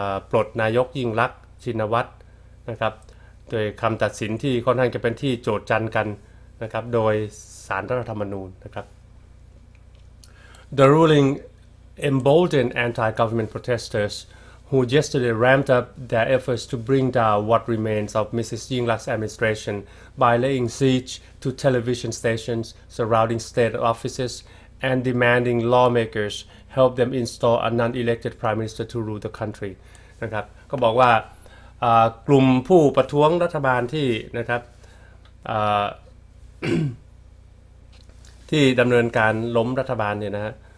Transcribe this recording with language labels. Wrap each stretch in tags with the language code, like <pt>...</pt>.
<th>ปลดนายกยิ่งลักษณ์ชินวัตรนะครับโดยคำตัดสินที่ค่อนข้างจะเป็นที่โจษจันกันนะครับโดยศาลรัฐธรรมนูญนะครับ</th> <en>The ruling emboldened anti-government protesters who yesterday ramped up their efforts to bring down what remains of Mrs. Yingluck's administration by laying siege to television stations surrounding state offices. and demanding lawmakers help them install a non-elected prime minister to rule the country</en> <th>นะครับก็บอกว่ากลุ่มผู้ประท้วงรัฐบาลที่นะครับ ที่ดำเนินการล้มรัฐบาลเนี่ยนะฮะ</th>